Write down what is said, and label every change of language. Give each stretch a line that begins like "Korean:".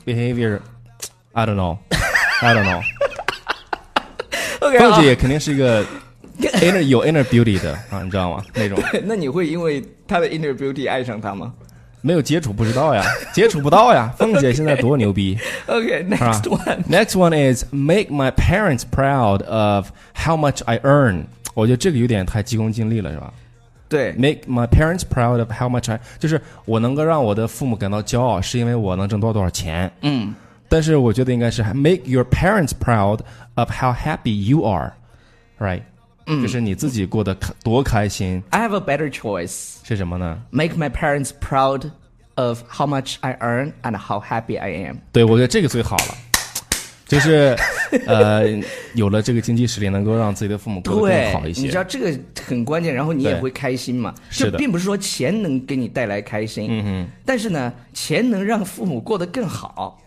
English: ？Behavior，I don't know。 Okay,
Chinese: 凤姐也肯定是一个 有 inner beauty 的啊，你知道吗？那种。那你会因为她的 inner beauty 爱上她吗？没有接触不知道呀，接触不到呀。凤姐现在多牛逼。
English: Okay, next one. Next one is make my parents proud of how much I earn.
Chinese: 我觉得这个有点太急功近利了，是吧？对，
English: make my parents proud of how much I
Chinese: 就是我能够让我的父母感到骄傲，是因为我能挣多少钱。嗯。但是我觉得应该是
English: make your parents proud of how happy you are, right?、嗯、
Chinese: 就是你自己过得多开心。
English: I have a better choice.
Chinese: 是什么呢
English: ？Make my parents proud of how much I earn and how happy I am.
Chinese: 对，我觉得这个最好了，就是有了这个经济实力，能够让自己的父母过得更好一些。你知道这个很关键，然后你也会开心嘛。是的。这并不是说钱能给你带来开心，嗯哼，但是呢，钱能让父母过得更好。